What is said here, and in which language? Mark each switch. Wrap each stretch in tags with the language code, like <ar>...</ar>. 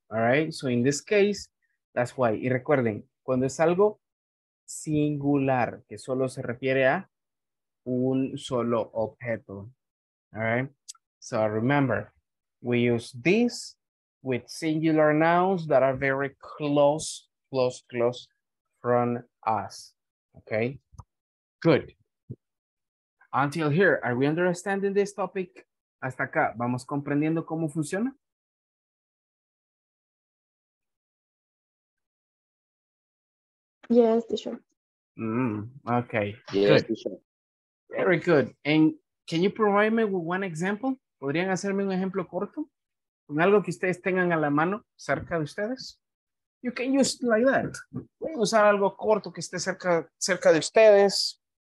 <en>All right, so in this case, that's why.</en> <es>Y recuerden, cuando es algo singular, que solo se refiere a un solo objeto.</es> <en>All right. So remember, we use this with singular nouns that are very close from us. Okay. Good. Until here, are we understanding this topic?</en> <es>Hasta acá, ¿vamos comprendiendo cómo funciona?</es> <en>Yes, teacher. Okay. Yes, good. Very good. And can you provide me with one example?</en> <es>¿Podrían hacerme un ejemplo corto? ¿Con algo que ustedes tengan a la mano cerca de ustedes?</es> <en>You can use like that.</en> <es>Pueden usar algo corto que esté cerca de ustedes.</es>